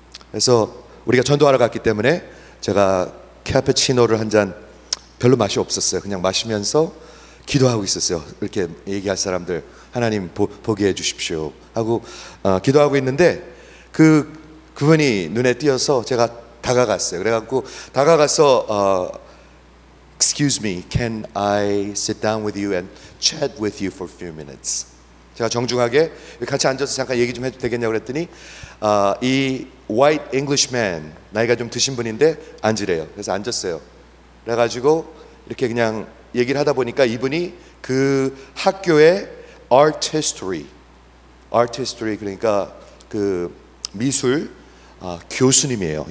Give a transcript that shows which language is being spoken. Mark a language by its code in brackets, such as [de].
[ko] 그래서 우리가 전도하러 갔기 때문에 제가 캐푸치노를 한 잔 별로 맛이 없었어요. 그냥 마시면서 기도하고 있었어요. 이렇게 얘기할 사람들 하나님 보게 해주십시오 하고 기도하고 있는데 그분이 눈에 띄어서 제가 다가갔어요. 그래갖고 다가가서 [en] Excuse me, can I sit down with you and chat with you for a few minutes? [ko] 제가 정중하게 같이 앉아서 잠깐 얘기 좀 해도 되겠냐고 그랬더니 이 [en] white Englishman, [ko] 나이가 좀 드신 분인데 앉으래요. 그래서 앉았어요. 그래가지고 이렇게 그냥 얘기를 하다 보니까 이분이 그 학교의 art history 그러니까 그 미술 교수님이에요.